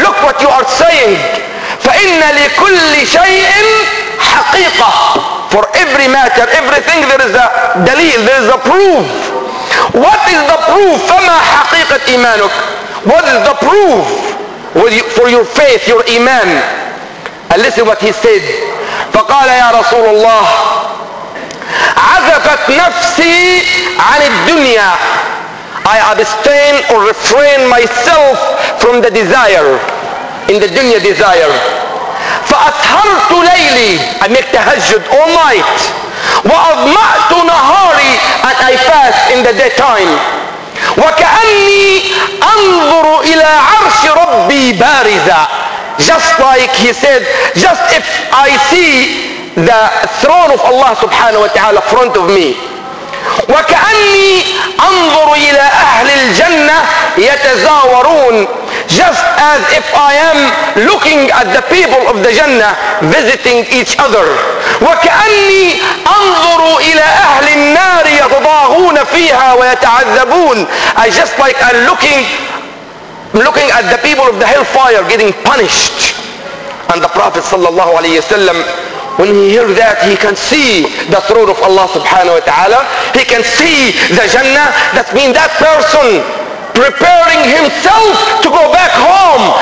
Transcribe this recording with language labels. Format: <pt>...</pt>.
<en>Look what you are saying.</en> <ar>فإن لكل شيء حقيقة.</ar> <en>For every matter, everything, there is a دليل, there is a proof. What is the proof?</en> <ar>فما حقيقة إيمانك.</ar> <en>What is the proof for your faith, your iman? And listen what he said.</en> <ar>فقال يا رسول الله عذفت نفسي عن الدنيا.</ar> <en>I abstain or refrain myself from the desire, in the dunya desire.</en> <ar>فأثرت ليلي.</ar> <en>I make tahajjud all night.</en> <ar>وأضمأت نهاري.</ar> <en>And I fast in the daytime.</en> <ar>وكأني أنظر إلى عرش ربي بارزا.</ar> <en>Just like he said, just if I see the throne of Allah subhanahu wa ta'ala in front of me.</en> <ar>وكأني أنظر إلى أهل الجنة يتزاورون.</ar> <en>Just as if I am looking at the people of the Jannah visiting each other.</en> <ar>وكأني أنظر إلى أهل النار يتضاغون فيها ويتعذبون.</ar> <en>I just like I'm looking at the people of the hellfire getting punished. And the Prophet sallallahu alayhi wasallam, when he hears that, he can see the throne of Allah subhanahu wa ta'ala. He can see the Jannah. That means that person preparing himself to go back home.</en>